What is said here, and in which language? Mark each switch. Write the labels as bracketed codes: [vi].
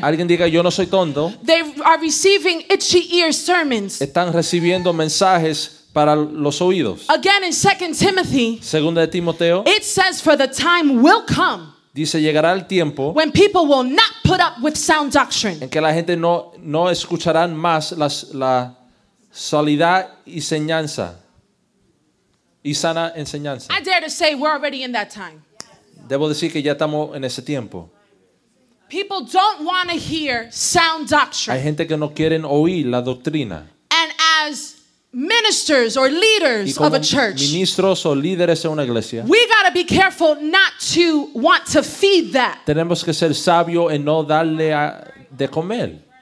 [es] Alguien diga, yo no soy tonto. [en] They are receiving itchy ear sermons. [es] Están recibiendo mensajes para los oídos. [en] Again in 2 Timothy. [es] Segunda de Timoteo. [en] It says, for the time will come. [es] Dice, llegará el tiempo. [en] When people will not put up with sound doctrine. [es] En que la gente no escucharán más la solidez y enseñanza. Y sana enseñanza. [en] I dare to say we're already in that time. [es] Debo decir que ya estamos en ese tiempo. [en] People don't want to hear sound doctrine. [es] Hay gente que no quieren oír la doctrina. [en] And as ministers or leaders of a church, [es] ministros o líderes de una iglesia, [en] we gotta be careful not to want to feed that. [es] Tenemos que ser sabios en no darle de comer.